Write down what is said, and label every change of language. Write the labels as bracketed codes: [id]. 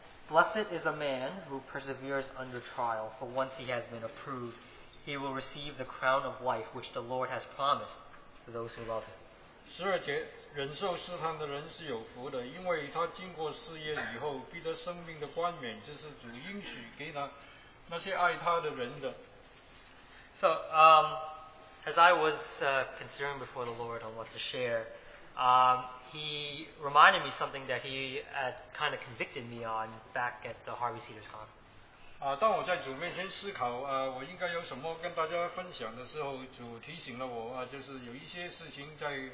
[en] Blessed is a man who perseveres under trial, for once he has been approved, he will receive the crown of life which the Lord has promised to those who love him. [zh] 12节, 忍受试探的人是有福的, 因为他经过试验以后, 必得生命的冠冕, 这是主应许给他, 那些爱他的人的。 [en] So, as I was considering before the Lord on what to share, he reminded me something that he had kind of convicted me on back at the Harvey Cedars Con. [zh] 当我在主面前思考, 我应该有什么跟大家分享的时候, 主提醒了我, 就是有一些事情在